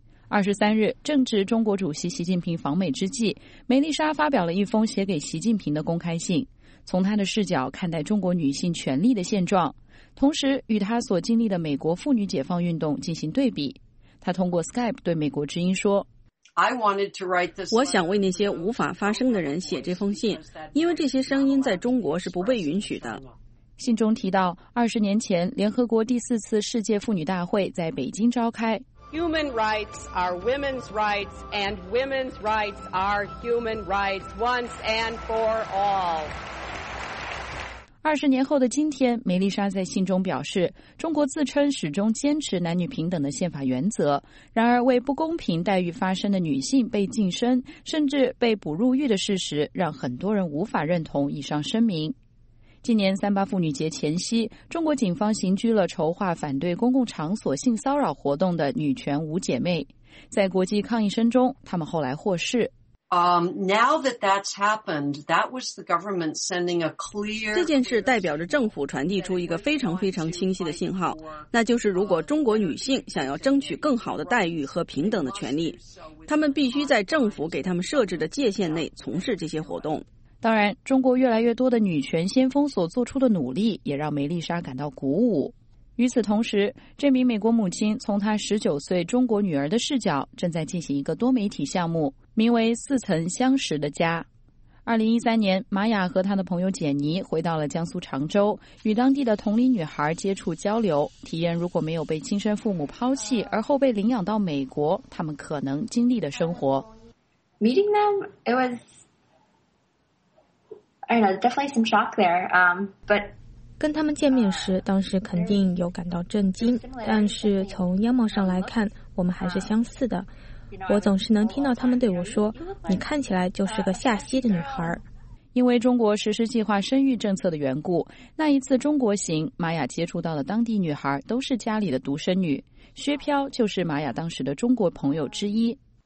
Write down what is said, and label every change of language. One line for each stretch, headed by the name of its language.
Chinese: 23日，正值中国主席习近平访美之际，梅丽莎发表了一封写给习近平的公开信，从她的视角看待中国女性权利的现状，同时与她所经历的美国妇女解放运动进行对比。她通过 Skype 对美国之音说，我想为那些无法发声的人写这封信，因为这些声音在中国是不被允许的。信中提到，20年前联合国第四次世界妇女大会在北京召开。
English: Human rights are women's rights, and women's rights are human rights once and for all.
Chinese: 20年后的今天，梅丽莎在信中表示，中国自称始终坚持男女平等的宪法原则，然而为不公平待遇发声的女性被晋升甚至被捕入狱的事实让很多人无法认同以上声明。今年三八妇女节前夕，中国警方刑拘了筹划反对公共场所性骚扰活动的女权五姐妹，在国际抗议声中她们后来获释。
English: Now that that's happened, that was the government sending a clear.
Chinese: 这件事代表着政府传递出一个非常非常清晰的信号，那就是如果中国女性想要争取更好的待遇和平等的权利，她们必须在政府给她们设置的界限内从事这些活动。当然，中国越来越多的女权先锋所做出的努力，也让梅丽莎感到鼓舞。与此同时，这名美国母亲从她19岁中国女儿的视角，正在进行一个多媒体项目，名为《似曾相识的家》。 2013年，玛雅和她的朋友简妮回到了江苏常州，与当地的同龄女孩接触交流，体验如果没有被亲生父母抛弃，而后被领养到美国，他们可能经历的生活。
English: Meeting them, it was, I don't know, definitely some shock there, but.
Chinese: 跟他们见面时，当时肯定有感到震惊，但是从样貌上来看，我们还是相似的。我总是能听到他们对我说，你看起来就是个下溪的女孩。因为中国实施计划生育政策的缘故，那一次中国行，玛雅接触到的当地女孩都是家里的独生女，薛飘就是玛雅当时的中国朋友之一。